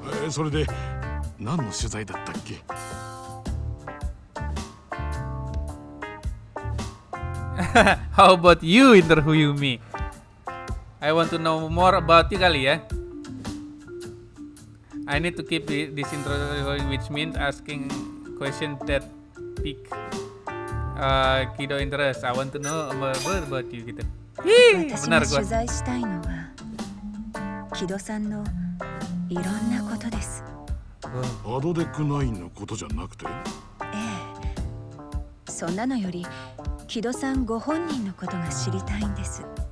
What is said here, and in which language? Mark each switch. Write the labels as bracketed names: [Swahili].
[Japanese] それで何の取材だったっけ？ [English] How about you interview me? I want to know more about you, [Indonesian] kali ya. [English] I need to keep this introduction going, which means asking questions that pique Kido interest. I want to know more about you, [Indonesian] gitu. Benar gua. [Japanese] 私が取材したいのは、キドさんのいろんなことです。アドデックナインのことじゃなくて？ええ、そんなのより。木戸さんご本人のことが知りたいんです。